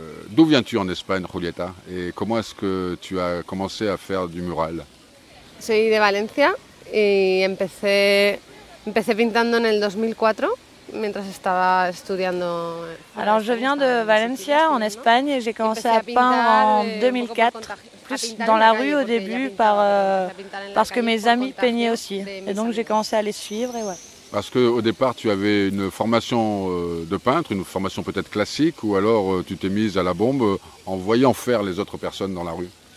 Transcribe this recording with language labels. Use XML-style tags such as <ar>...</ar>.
<fr>D'où viens-tu en Espagne, Julieta? Et comment est-ce que tu as commencé à faire du mural?</fr> <es>Soy de Valencia y empecé pintando en el 2004 mientras estaba estudiando.</es> <fr>Alors je viens de Valencia en Espagne et j'ai commencé à peindre en 2004. Plus dans la rue au début, parce que mes amis peignaient aussi. Et donc j'ai commencé à les suivre. Et ouais. Parce qu'au départ, tu avais une formation de peintre, une formation peut-être classique, ou alors tu t'es mise à la bombe en voyant faire les autres personnes dans la rue?</fr>